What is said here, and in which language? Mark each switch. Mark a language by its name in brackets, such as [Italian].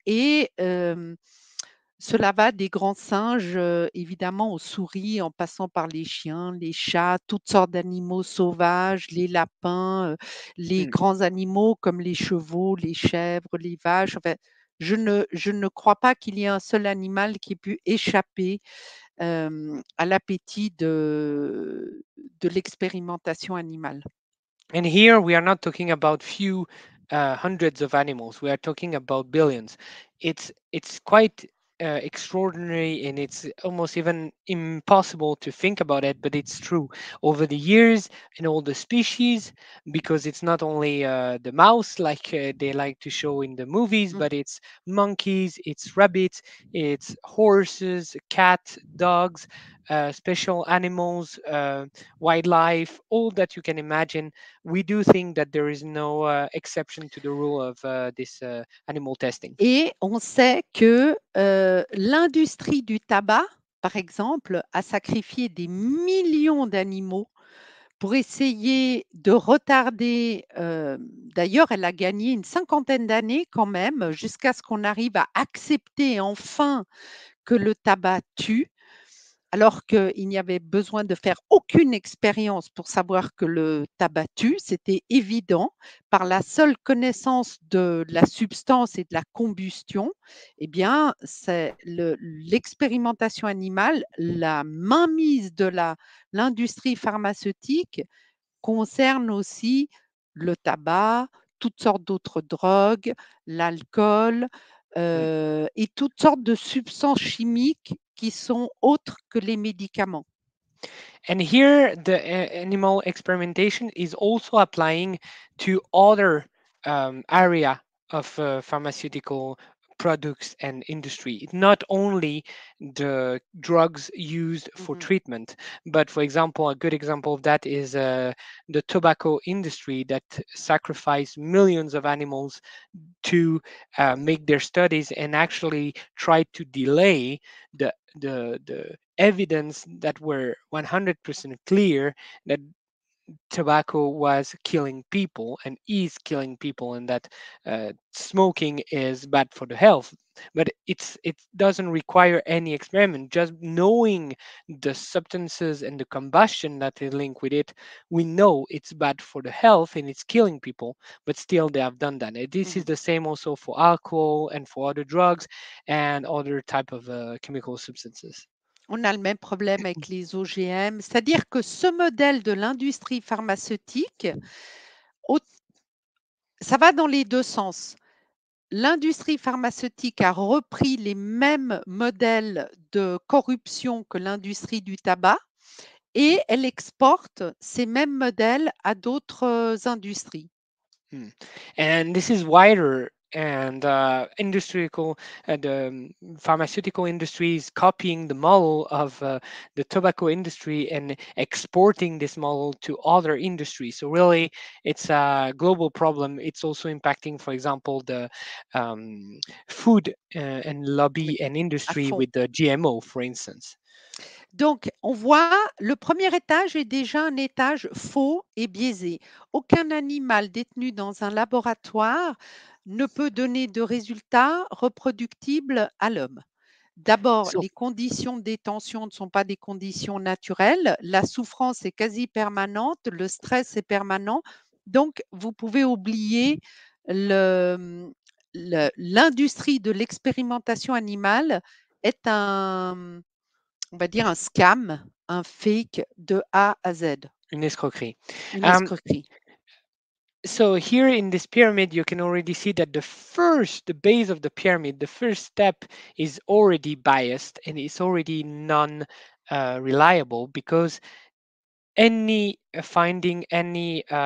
[French] Et cela va des grands singes, évidemment, aux souris, en passant par les chiens, les chats, toutes sortes d'animaux sauvages, les lapins, les grands animaux comme les chevaux, les chèvres, les vaches. Enfin, je ne crois pas qu'il y ait un seul animal qui ait pu échapper à l'appétit de l'expérimentation animale. [English] And here we are not talking about few hundreds of animals. We are talking about billions. It's quite extraordinary, and it's almost even impossible to think about it, but it's true. Over the years and all the species, because it's not only the mouse like they like to show in the movies, but it's monkeys, it's rabbits, it's horses, cats, dogs, special animals, wildlife, all that you can imagine. We do think that there is no exception to the rule of this animal testing. [French] Et on sait que l'industrie du tabac, par exemple, a sacrifié des millions d'animaux pour essayer de retarder. D'ailleurs, elle a gagné une cinquantaine d'années quand même, jusqu'à ce qu'on arrive à accepter enfin que le tabac tue, alors qu'il n'y avait besoin de faire aucune expérience pour savoir que le tabac tue. C'était évident par la seule connaissance de la substance et de la combustion. Eh bien, c'est l'expérimentation animale, la mainmise de l'industrie pharmaceutique concerne aussi le tabac, toutes sortes d'autres drogues, l'alcool, et toutes sortes de substances chimiques qui sont autres que les médicaments. [English] And here, the animal experimentation is also applying to other area of pharmaceutical products and industry, not only the drugs used for treatment, but for example, a good example of that is the tobacco industry that sacrificed millions of animals to make their studies and actually try to delay the evidence that were 100% clear that tobacco was killing people and is killing people, and that smoking is bad for the health. But it doesn't require any experiment. Just knowing the substances and the combustion that is linked with it, we know it's bad for the health and it's killing people, but still they have done that. And this is the same also for alcohol and for other drugs and other type of chemical substances. [French] On a le même problème avec les OGM, c'est-à-dire que ce modèle de l'industrie pharmaceutique, ça va dans les deux sens. L'industrie pharmaceutique a repris les mêmes modèles de corruption que l'industrie du tabac et elle exporte ces mêmes modèles à d'autres industries. [English] And this is wider, and the pharmaceutical industry is copying the model of the tobacco industry and exporting this model to other industries. So really, it's a global problem. It's also impacting, for example, the food and lobby and [French] À [English] industry [French] fond. [English] with the GMO, for instance. [French] Donc, on voit le premier étage est déjà un étage faux et biaisé. Aucun animal détenu dans un laboratoire ne peut donner de résultats reproductibles à l'homme. D'abord, les conditions de détention ne sont pas des conditions naturelles. La souffrance est quasi permanente, le stress est permanent. Donc, vous pouvez oublier l'industrie de l'expérimentation animale est un. On va dire un scam, un fake de A à Z, Une escroquerie. une escroquerie. [English] So here in this pyramid, you can already see that the base of the pyramid, the first step is already biased and it's already non reliable, because any finding, any